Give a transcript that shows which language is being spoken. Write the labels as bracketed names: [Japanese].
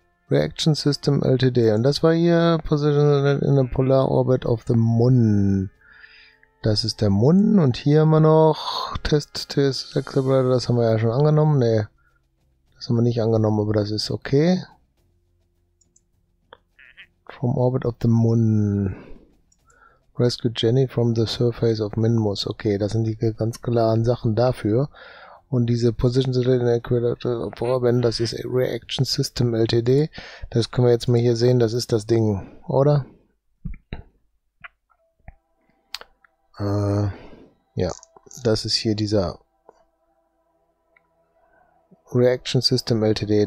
[English] Reaction System LTD. [German] Und das war hier [English] Position in the Polar Orbit of the Moon. [German] Das ist der [English] Moon. [German] Und hier haben wir noch Test Accelerator. Das haben wir ja schon angenommen. Nee. Das haben wir nicht angenommen, aber das ist okay. [English] From Orbit of the Moon. Rescue Jenny from the surface of Minmus. [German] Okay, das sind die ganz klaren Sachen dafür. Und diese Position Satellite Equator, das ist Reaction System LTD. Das können wir jetzt mal hier sehen, das ist das Ding, oder? Ja, das ist hier dieser Reaction System LTD.